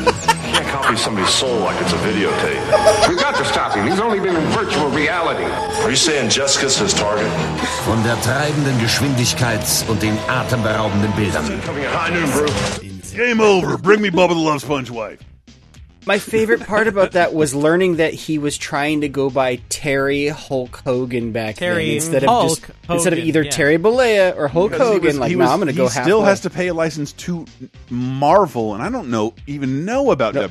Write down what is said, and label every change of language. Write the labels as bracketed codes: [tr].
[en] You can't copy somebody's soul like it's a videotape. We've got to stop him. He's only been in virtual reality. Are you saying Jessica's his target? [de] Von der treibenden Geschwindigkeit und den atemberaubenden Bildern. [en] Game over. Bring me Bubba the Love Sponge wife. My favorite part about that was learning that he was trying to go by Terry Hulk Hogan instead of Terry Bolea or Hulk because Hogan. I'm going to go half. He still has to pay a license to Marvel, and I don't know about WWE.